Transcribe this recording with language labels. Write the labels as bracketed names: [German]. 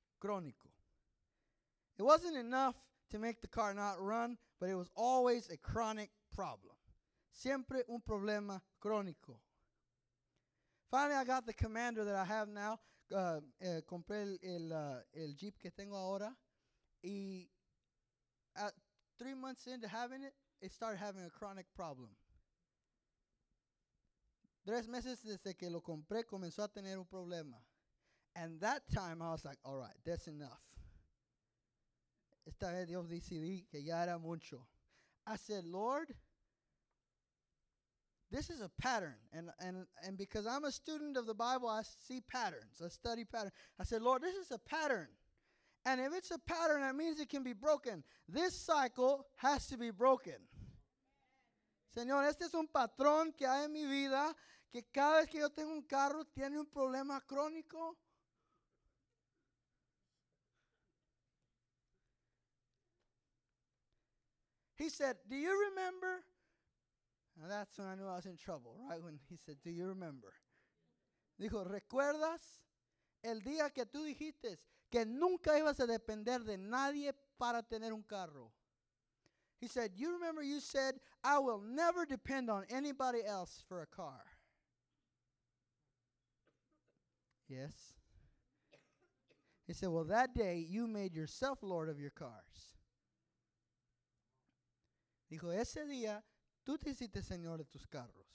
[Spanish] Crónico. [English] It wasn't enough to make the car not run, but it was always a chronic problem. [Spanish] Siempre un problema crónico. [English] Finally, I got the Commander that I have now. [Spanish] Compré el Jeep que tengo ahora. [English] Y at 3 months into having it, it started having a chronic problem. [Spanish] 3 meses desde que lo compré comenzó a tener un problema. [English] And that time I was like, all right, that's enough. [Spanish] Esta vez Dios decidí que ya era mucho. [English] I said, Lord, this is a pattern. And because I'm a student of the Bible, I see patterns. I study patterns. I said, Lord, this is a pattern. And if it's a pattern, that means it can be broken. This cycle has to be broken. [Spanish] Señor, este es un patrón que hay en mi vida, que cada vez que yo tengo un carro, tiene un problema crónico. [English] He said, do you remember? And that's when I knew I was in trouble, right? When he said, do you remember? [Spanish] Dijo, ¿recuerdas el día que tú dijiste que nunca ibas a depender de nadie para tener un carro? [English] He said, you remember you said, I will never depend on anybody else for a car. Yes. He said, well, that day you made yourself Lord of your cars. [Spanish] Dijo, ese día, tú te hiciste señor de tus carros.